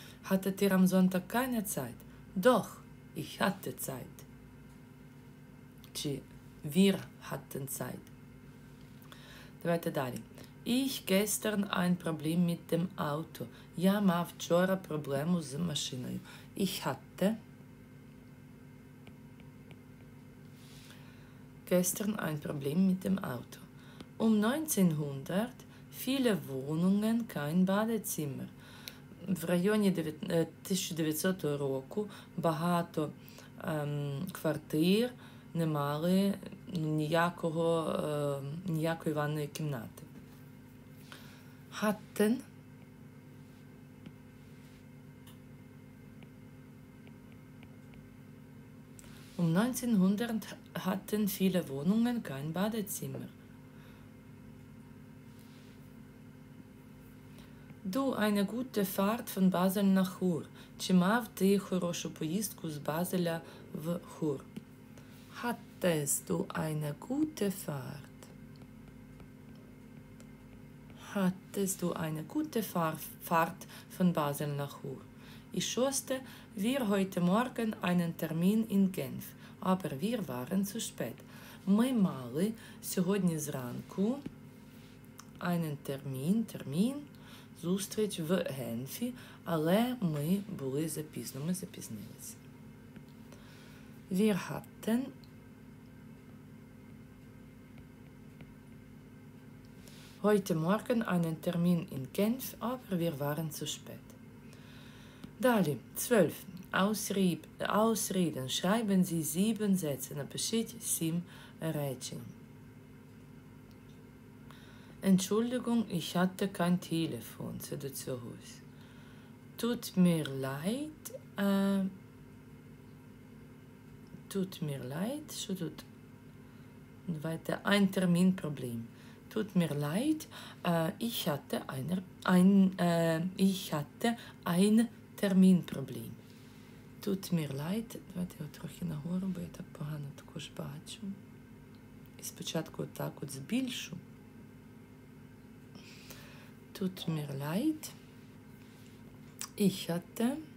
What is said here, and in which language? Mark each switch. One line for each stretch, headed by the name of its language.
German: Hatte ihr am Sonntag keine Zeit? Doch, ich hatte Zeit. Чи wir hatten Zeit.
Ukrainian: Давайте далі.
German: Ich gestern ein Problem mit dem Auto.
Ukrainian: Я мав вчора проблему з машиною.
German: Ich hatte gestern ein Problem mit dem Auto. 1900 Viele Wohnungen, kein Badezimmer.
Ukrainian: В районі 1900 року багато квартир не мали ніякої ванної кімнати.
German: Hatten. Um 1900 hatten viele Wohnungen, kein Badezimmer. Du, eine gute Fahrt von Basel nach Chur.
Ukrainian: Чи мав ти хорошу поїздку з Базеля в Chur?
German: Hattest du eine gute Fahrt? Hattest du eine gute Fahrt von Basel nach Chur? Ich schoste, wir heute Morgen einen Termin in Genf. Aber wir waren zu spät.
Ukrainian: Ми мали сьогодні зранку
German: einen Termin,
Ukrainian: зустріч в Генфі, але ми були запізно, ми запізнилися.
German: Wir hatten heute Morgen einen Termin in Genf, aber wir waren zu spät.
Ukrainian: Далі, 12. Ausreden.
German: Schreiben Sie 7 Sätze.
Ukrainian: Напишіть 7 речень.
German: Entschuldigung, ich hatte kein Telefon.
Ukrainian: Це до цього.
German: Tut mir leid. Tut mir leid.
Ukrainian: Що тут?
German: Weiter. Ein Terminproblem. tut mir leid, ich hatte ein Termínproblém. Тут мір лайт,
Ukrainian: давайте його трохи нагору, бо я так погано також бачу. І спочатку отак от збільшу.
German: Тут мір лайт. Іхате.